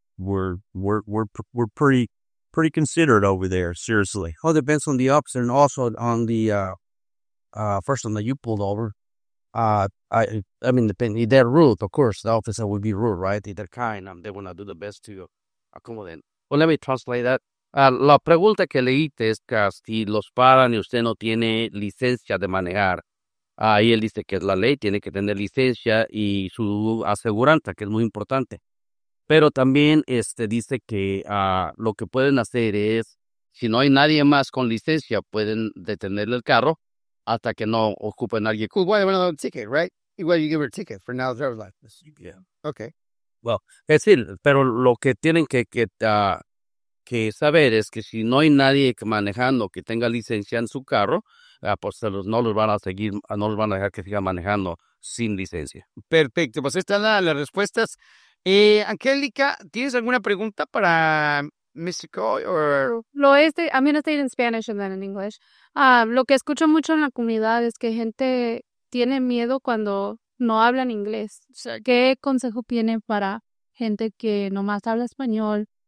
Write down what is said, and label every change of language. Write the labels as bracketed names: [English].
[English] We're pretty considerate over there. Seriously, all depends on the officer and also on the first one that you pulled over. I mean, depending their rule, of course, the officer would be rude, right? They're kind, they want to do the best to accommodate. Well, let me translate that. [Spanish] La pregunta que leíste es que si los paran y usted no tiene licencia de manejar. Ahí él dice que es la ley, tiene que tener licencia y su aseguranza, que es muy importante. Pero también dice que lo que pueden hacer es, Si no hay nadie más con licencia, pueden detenerle el carro hasta que no ocupen a alguien. [English] Cool. Well, you want a ticket, right? Well, you give her a ticket for now. Driver's license. Yeah. Okay. [Spanish] Well, es decir, pero lo que tienen que saber es que si no hay nadie manejando que tenga licencia en su carro, pues no los van a seguir, no los van a dejar que sigan manejando sin licencia. Perfecto. Pues están las respuestas. Angélica, ¿tienes alguna pregunta para Mr. Coy? [English] I'm going to say it in Spanish and then in English. [Spanish] Lo que escucho mucho en la comunidad es que gente tiene miedo cuando no hablan inglés. Sure. ¿Qué consejo tiene para gente que nomás habla español?